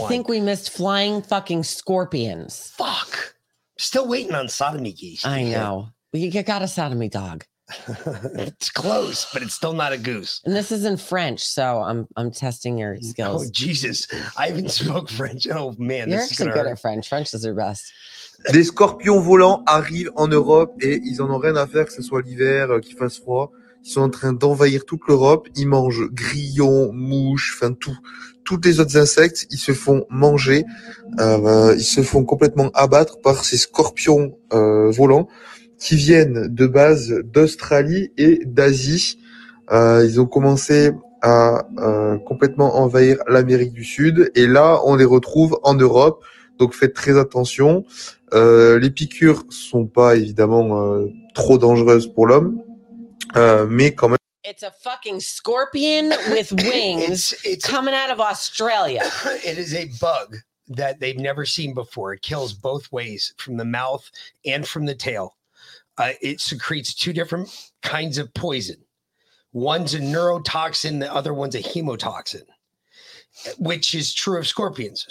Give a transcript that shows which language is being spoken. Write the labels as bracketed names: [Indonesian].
[English] I think we missed flying fucking scorpions. Fuck. Still waiting on sodomy geese. I know. We got a sodomy dog. It's close, but it's still not a goose. And this is in French, so I'm testing your skills. Oh, Jesus. I even spoke French. Oh, man. You're this actually is good hurt. At French. French is your best. [French] Des scorpions volants arrivent en Europe et ils en ont rien à faire, que ce soit l'hiver, qu'il fasse froid. Ils sont en train d'envahir toute l'Europe. Ils mangent grillons, mouches, enfin tout. Toutes les autres insectes, ils se font manger. Ils se font complètement abattre par ces scorpions volants qui viennent de base d'Australie et d'Asie. Ils ont commencé à complètement envahir l'Amérique du Sud. Et là, on les retrouve en Europe. Donc faites très attention. Les piqûres sont pas évidemment trop dangereuses pour l'homme. [English] It's a fucking scorpion with wings it's coming out of Australia. It is a bug that they've never seen before. It kills both ways, from the mouth and from the tail. It secretes two different kinds of poison. One's a neurotoxin, the other one's a hemotoxin, which is true of scorpions.